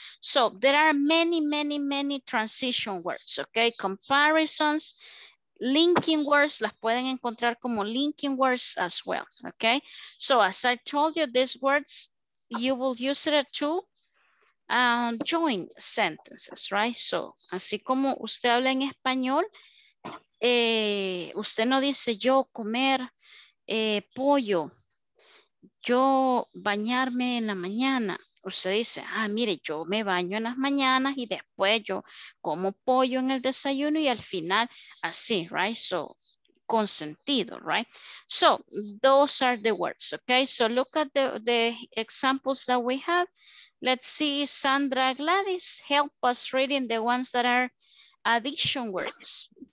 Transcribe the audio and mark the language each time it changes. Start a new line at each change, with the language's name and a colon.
English: So there are many, many, many transition words, okay? Comparisons, linking words,
Spanish: las pueden encontrar como
English: linking words as well, okay? So as I told you, these words, you will use it to join sentences, right?
Spanish: So así como usted habla en español, usted no dice yo comer pollo, yo bañarme en la mañana. Usted dice, ah, mire, yo me baño en las mañanas y después yo como pollo en el desayuno y al final así,
English: right? So,
Spanish: con sentido,
English: right? So, those are the words, okay? So, look at the examples that we have. Let's see, Sandra, Gladys, help us reading the ones that are addition words.